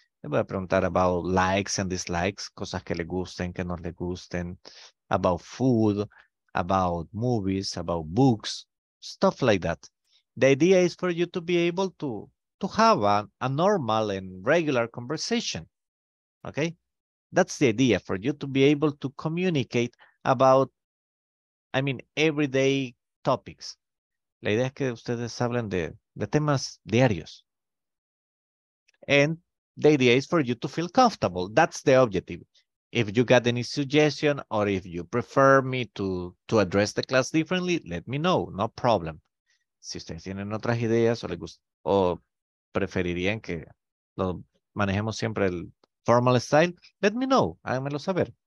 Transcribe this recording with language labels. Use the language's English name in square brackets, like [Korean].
[English] Me voy a preguntar about likes and dislikes, cosas que le gusten, que no le gusten, about food, about movies, about books, stuff like that. The idea is for you to be able to have a normal and regular conversation, okay? That's the idea, for you to be able to communicate about, I mean, everyday topics. [Spanish] La idea es que ustedes hablen de temas diarios. [English] And the idea is for you to feel comfortable. That's the objective. If you got any suggestion or if you prefer me to address the class differently, let me know, no problem. [Spanish] Si ustedes tienen otras ideas o preferirían que lo manejemos siempre el formal style, let me know, háganmelo saber.